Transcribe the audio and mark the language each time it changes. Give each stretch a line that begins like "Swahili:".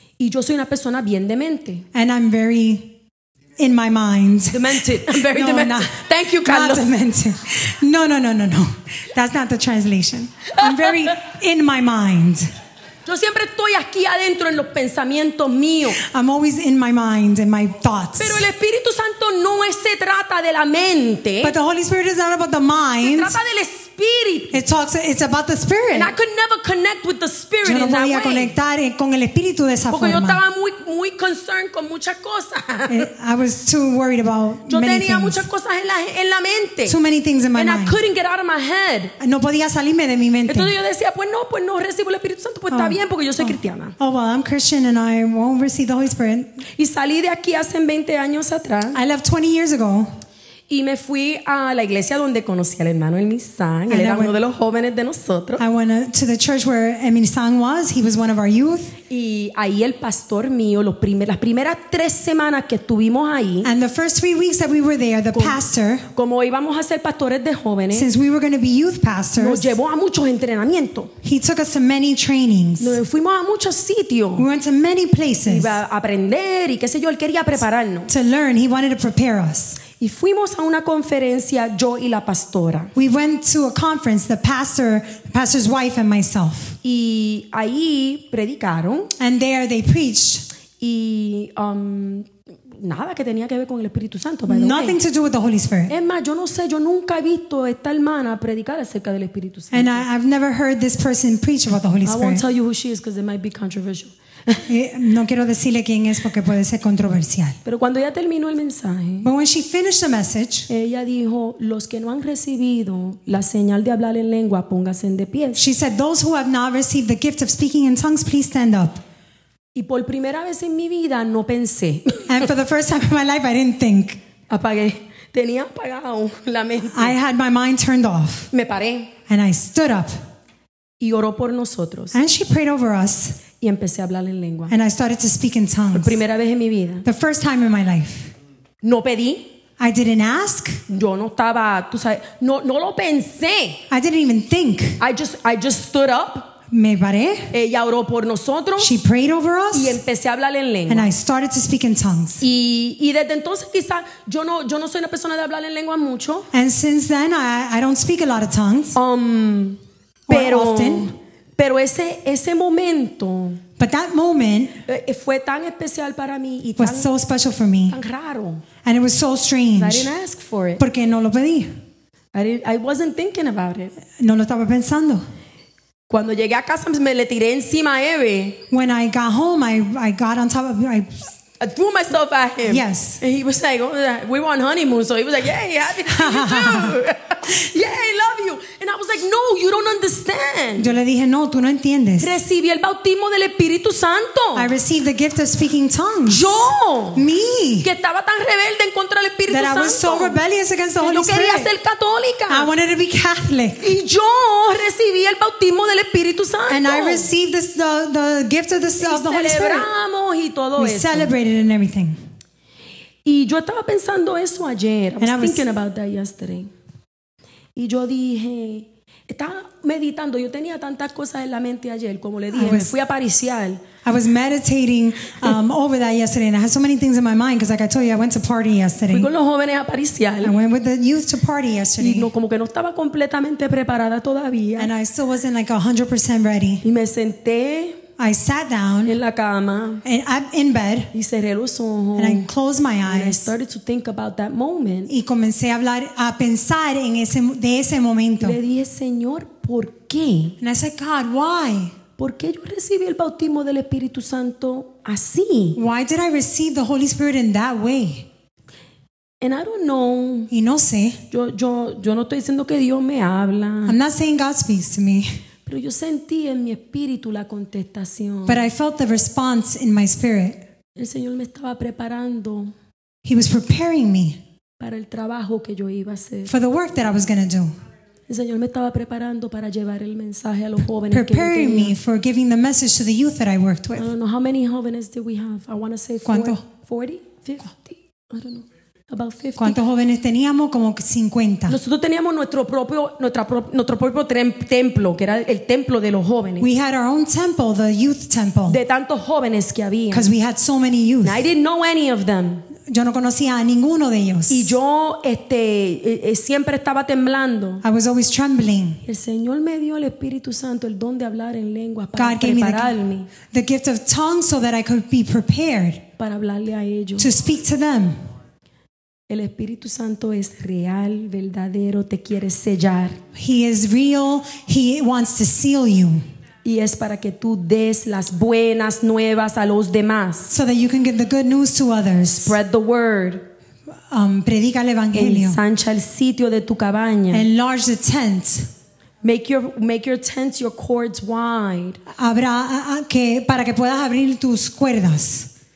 Spanish: Y yo soy una persona bien de mente.
English: And I'm very in my mind. Demented. I'm very no, demented. Not, thank you, Carlos. Not demented. No, no, no, no, no. That's not the translation. I'm very in my mind.
Spanish: Yo siempre estoy aquí adentro en los pensamientos míos.
English: I'm always in my mind, in my thoughts.
Spanish: Pero el Espíritu Santo no se trata de la mente.
English: But the Holy Spirit is not about the mind.
Spanish: Se trata del Espíritu.
English: It's about the Spirit. And I could never connect with the Spirit in that way.
Spanish: Yo no podía conectar con el Espíritu de esa porque forma. Porque yo estaba muy, muy
English: concerned
Spanish: con muchas cosas.
English: I was too worried about
Spanish: yo
English: many
Spanish: tenía
English: things.
Spanish: Muchas cosas en la mente.
English: Too many things in my and mind. And I couldn't get out of my head.
Spanish: No podía salirme de mi mente. Entonces yo decía, pues no recibo el Espíritu Santo, pues está bien porque yo soy cristiana.
English: Oh, well, I'm Christian and I won't receive the Holy Spirit.
Spanish: Y salí de aquí hace 20 años atrás.
English: I left 20 years ago.
Spanish: Y me fui a la iglesia donde conocí al hermano Emilisan. Él era uno de los jóvenes de nosotros.
English: I went to the church where Emilisan was. He was one of our youth.
Spanish: Y ahí el pastor mío, las primeras tres semanas que estuvimos ahí.
English: And the first 3 weeks that we were there, the pastor.
Spanish: Como íbamos a ser pastores de jóvenes.
English: Since we were going to be youth pastors.
Spanish: Nos llevó a muchos entrenamientos.
English: He took us to many trainings.
Spanish: Nos fuimos a muchos sitios.
English: We went to many places.
Spanish: Iba a aprender y qué sé yo, él quería prepararnos.
English: To learn, he wanted to prepare us.
Spanish: Y fuimos a una conferencia yo y la pastora.
English: We went to a conference, the pastor's wife and myself.
Spanish: Y ahí predicaron.
English: And there they preached.
Spanish: Y nada que tenía que ver con el Espíritu Santo.
English: Nothing to do with the Holy Spirit.
Spanish: Es más, yo no sé, yo nunca he visto esta hermana predicar acerca del Espíritu Santo.
English: And I've never heard this person preach about the Holy Spirit. I won't tell you who she is because it might be controversial.
Spanish: No quiero decirle quién es porque puede ser controversial. Pero cuando ella terminó el mensaje,
English: but when she finished the message,
Spanish: ella dijo, los que no han recibido la señal de hablar en lengua, pónganse de pie.
English: She said, those who have not received the gift of speaking in tongues, please stand up.
Spanish: Y por primera vez en mi vida no pensé.
English: And for the first time in my life, I didn't think.
Spanish: Apagué. Tenía apagado la mente.
English: I had my mind turned off.
Spanish: Me paré.
English: And I stood up.
Spanish: Y oró por nosotros.
English: And she prayed over us.
Spanish: Y empecé a hablar en lengua.
English: And I started to speak in tongues.
Spanish: Por primera vez en mi vida.
English: The first time in my life.
Spanish: No pedí.
English: I didn't ask.
Spanish: Yo no estaba, tú sabes, no lo pensé.
English: I didn't even think. I just stood up.
Spanish: Me paré. Ella oró por nosotros.
English: She prayed over us.
Spanish: Y empecé a hablar en lengua.
English: And I started to speak in tongues.
Spanish: Y desde entonces quizá yo no soy una persona de hablar en lengua mucho.
English: And since then I don't speak a lot of tongues.
Spanish: Pero
English: often.
Spanish: Pero ese momento,
English: but that moment,
Spanish: fue tan especial para mí y
English: was
Spanish: tan,
English: so special for me.
Spanish: Tan raro.
English: And it was so strange. I didn't ask for it.
Spanish: Porque no lo pedí.
English: I wasn't thinking about it.
Spanish: No lo estaba pensando. Cuando llegué a casa me le tiré encima a Eve.
English: When I got home, I got on top of you. I threw myself at him. Yes. And he was like, oh, we were on honeymoon, so he was like, yeah, happy to see you too. Yeah, I love you. And I was like, no, you don't understand.
Spanish: Yo le dije, no, tú no entiendes. Recibí el bautismo del Espíritu Santo.
English: I received the gift of speaking tongues.
Spanish: Yo.
English: Me.
Spanish: Que estaba tan rebelde en contra del Espíritu Santo.
English: That I was so rebellious against the
Spanish: que
English: Holy
Spanish: yo quería
English: Spirit.
Spanish: Ser católica.
English: I wanted to be Catholic.
Spanish: Y yo recibí el bautismo del Espíritu Santo.
English: And I received this, the gift of the Holy Spirit.
Spanish: Y celebramos y todo
English: we
Spanish: eso.
English: We celebrated and everything.
Spanish: Y yo estaba pensando eso ayer.
English: I was thinking about that yesterday.
Spanish: Y yo dije, estaba meditando, yo tenía tantas cosas en la mente ayer, como le dije, me fui a pariciar.
English: I was meditating over that yesterday, and I had so many things in my mind, because like I told you, I went to party yesterday.
Spanish: Fui con los jóvenes a pariciar.
English: I went with the youth to party yesterday.
Spanish: Y no, como que no estaba completamente preparada todavía.
English: And I still wasn't like 100% ready.
Spanish: Y me senté.
English: I sat down.
Spanish: En la cama.
English: And I'm in bed.
Spanish: Y cerré los ojos.
English: And I closed my eyes. And I started to think about that moment.
Spanish: Y comencé a hablar, a pensar en ese, de ese momento. Le dije, Señor, ¿por qué?
English: And I said, God, why?
Spanish: ¿Por qué yo recibí el bautismo del Espíritu Santo así?
English: Why did I receive the Holy Spirit in that way? And I don't know.
Spanish: Y no sé. Yo no estoy diciendo que Dios me habla.
English: I'm not saying God speaks to me.
Spanish: Pero yo sentí en mi espíritu la contestación.
English: But I felt the response in my spirit.
Spanish: El Señor me estaba preparando.
English: He was preparing me.
Spanish: Para el trabajo que yo iba a hacer.
English: For the work that I was going to do.
Spanish: El Señor me estaba preparando para llevar el mensaje a los jóvenes que
English: preparing me for giving the message to the youth that I worked with. I don't know how many
Spanish: jóvenes
English: do we have. I want to say 40, 50. I don't know. About 50.
Spanish: ¿Cuántos jóvenes teníamos? Como 50. Nosotros teníamos nuestro propio templo, que era el templo de los jóvenes.
English: We had our own temple, the youth temple.
Spanish: De tantos jóvenes que había.
English: Because we had so many youth. And I didn't know any of them.
Spanish: Yo no conocía a ninguno de ellos. Y yo siempre estaba temblando.
English: I was always trembling.
Spanish: El Señor me dio el Espíritu Santo, el don de hablar en lengua para prepararme.
English: The gift of tongues so that I could be prepared.
Spanish: Para hablarle a ellos.
English: To speak to them.
Spanish: El Espíritu Santo es real, verdadero, te quiere sellar.
English: He is real, he wants to seal you.
Spanish: Y es para que tú des las buenas nuevas a los demás.
English: So that you can give the good news to others. Spread the word.
Spanish: Predica el evangelio. Ensancha el sitio de tu cabaña.
English: Enlarge the tent. Make your tents, your cords wide.
Spanish: Para que puedas abrir tus cuerdas.